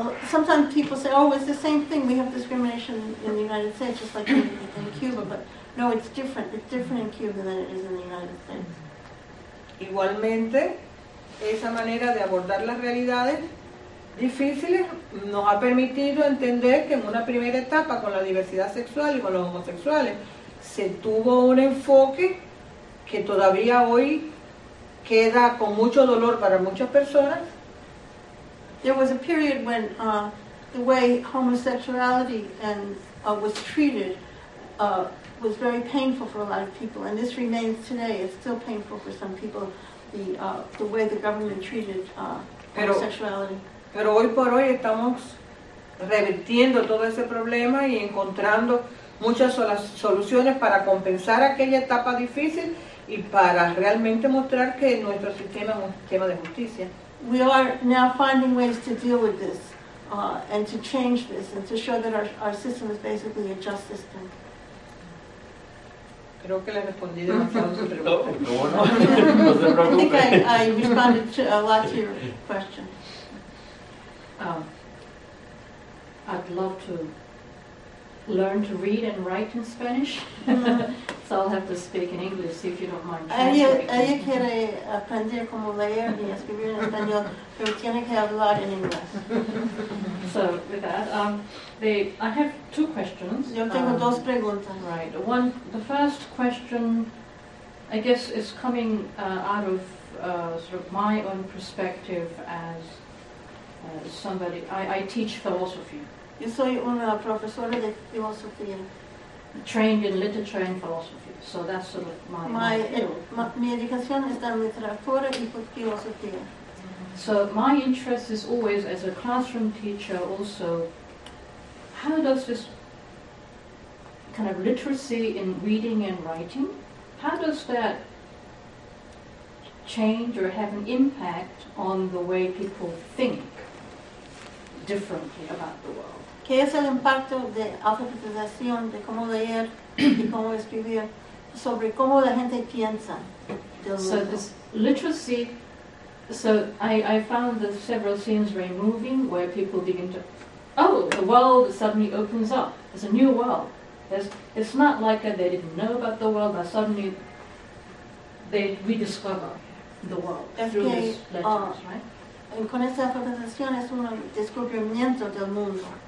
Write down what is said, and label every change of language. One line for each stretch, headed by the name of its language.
English: Sometimes people say, oh, it's the same thing, we have discrimination in the United States just like in Cuba, but no, it's different. It's different in Cuba than it is in the United States.
Spanish: Igualmente, esa manera de abordar las realidades difíciles nos ha permitido entender que en una primera etapa con la diversidad sexual y con los homosexuales se tuvo un enfoque que todavía hoy queda con mucho dolor para muchas personas.
English: There was a period when the way homosexuality and was treated was very painful for a lot of people, and this remains today. It's still painful for some people, the way the government treated homosexuality.
Spanish: Pero hoy por hoy estamos revirtiendo todo ese problema y encontrando muchas soluciones para compensar aquella etapa difícil y para realmente mostrar que nuestro sistema es un sistema de justicia.
English: We are now finding ways to deal with this and to change this and to show that our system is basically a just system.
Spanish: Creo que le respondí demasiado su pregunta. No, no se preocupe.
English: I think I responded to a lot to your question. I'd love to learn to read and write in Spanish. So I'll have to speak in English, see if you don't mind.
Spanish: Ella quiere aprender cómo leer y escribir en español, pero tiene que hablar en inglés.
English: So with that, I have two questions.
Spanish: Yo tengo dos preguntas.
English: Right. One, the first question, I guess, is coming out of sort of my own perspective as somebody. I teach philosophy.
Spanish: Yo soy una profesora de filosofía.
English: Trained in literature and philosophy, so that's sort of my education is in literature and philosophy. So my interest is always, as a classroom teacher, also how does this kind of literacy in reading and writing, how does that change or have an impact on the way people think differently about the world?
Spanish: ¿Qué es el impacto de alfabetización, de cómo leer y cómo escribir, sobre cómo la gente piensa?
English: So this literacy, so I found the several scenes very moving where people begin to, oh, the world suddenly opens up. It's a new world. It's not like they didn't know about the world, but suddenly they rediscover the world through these letters, right?
Spanish: Con esta alfabetización es un descubrimiento del mundo.